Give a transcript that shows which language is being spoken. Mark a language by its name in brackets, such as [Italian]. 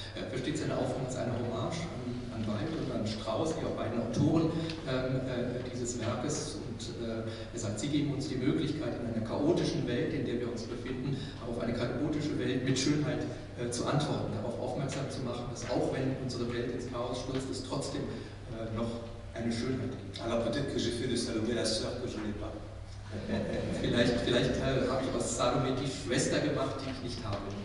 [German] Versteht seine Aufforderung als eine Hommage an Weil und an Strauss, die auch beiden Autoren dieses Werkes. Und er sagt, sie geben uns die Möglichkeit, in einer chaotischen Welt, in der wir uns befinden, auf eine chaotische Welt mit Schönheit zu antworten, darauf aufmerksam zu machen, dass auch wenn unsere Welt ins Chaos stürzt, es trotzdem noch eine Schönheit gibt. [French] Alors peut-être que j'ai fait de Salomé la sœur que je n'ai pas. [German] Vielleicht habe ich aus Salomé die Schwester gemacht, die ich nicht habe.